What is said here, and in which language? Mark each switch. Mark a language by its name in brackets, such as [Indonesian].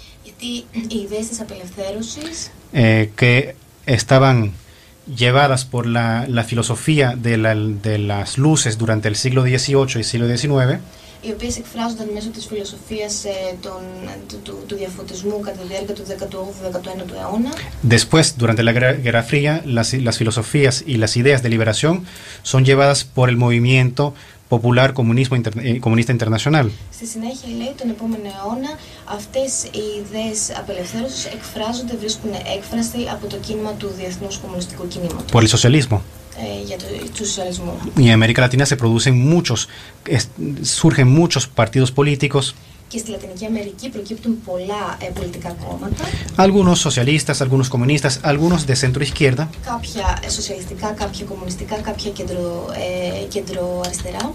[Greek] γιατί οι ιδέες της απελευθέρωσης [Spanish] que estaban llevadas por la filosofía de las luces durante el siglo XVIII y siglo XIX, [Greek] οι οποίες εκφράζονταν μέσω της φιλοσοφίας του διαφωτισμού κατά τη διάρκεια του 18ου 19ου αιώνα. [Spanish] Después, durante la Guerra Fría, las filosofías y las ideas de liberación son llevadas por el movimiento popular comunista internacional. [Greek] Στη συνέχεια, λέει, τον επόμενο αιώνα, αυτές οι ιδέες απελευθέρωσης εκφράζονται, βρίσκουν έκφραση από το κίνημα του διεθνούς κομμουνιστικού κινήματος. [Spanish] Por el socialismo. [Greek] Για το σοσιαλισμό. [Spanish] Y en América Latina se producen muchos, surgen muchos partidos políticos. [Greek] Και στη Λατινική Αμερική προκύπτουν πολλά πολιτικά κόμματα. [Spanish] Algunos socialistas, algunos comunistas, algunos de centro izquierda. [Greek] Κάποια σοσιαλιστικά, κάποια κομμουνιστικά, κάποια κέντρο αριστερά.